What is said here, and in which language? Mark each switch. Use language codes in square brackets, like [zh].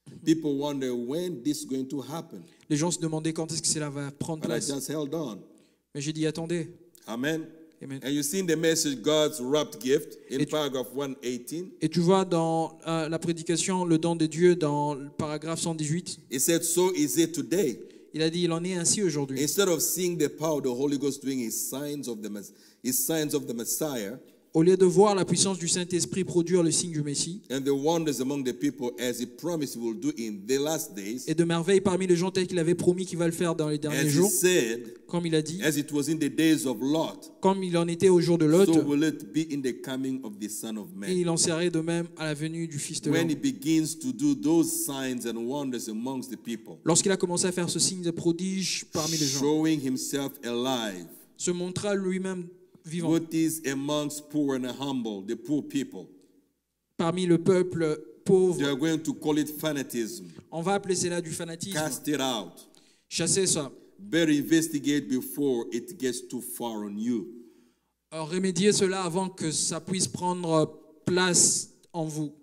[en] People wonder when this is going to happen. [fr] Les gens se demandaient quand est-ce que cela va prendre place. [en] But I just held on. [fr] Mais j'ai dit attendez. Amen. Amen. [en] And you've seen the message God's wrapped gift in paragraph 118. [fr] Et tu vois dans la prédication le don de Dieu dans le paragraphe 118. [en] He said so is it today. [fr] Il a dit il en est ainsi aujourd'hui. [en] Instead of seeing the power of the Holy Ghost doing his signs of the Messiah. [fr] Au lieu de voir la puissance du Saint-Esprit produire le signe du Messie, [en] and the wonders among the people as he promised he will do in the last days, [fr] et de merveilles parmi les gens tels qu'il avait promis qu'il va le faire dans les derniers jours, [en] as he said, [fr] comme il a dit, [en] as it was in the days of Lot, [fr] comme il en était au jour de Lot, [en] so will it be in the coming of the Son of Man. [fr] Et il en serait de même à la venue du Fils de l'homme. [en] When he begins to do those signs and wonders amongst the people, [fr] lorsqu'il a commencé à faire ce signe de prodige parmi les gens, [en] showing himself alive, [fr] se montra lui-même vivant. [en] What is amongst poor and humble, the poor people? [fr] Parmi le peuple pauvre, [en] they are going to call it fanatism. [fr] On va appeler cela du fanatisme. [en] Cast it out. [fr] Chassez ça. [en] Better investigate before it gets too far on you. [fr] Alors, remédiez cela avant que ça puisse prendre place en vous.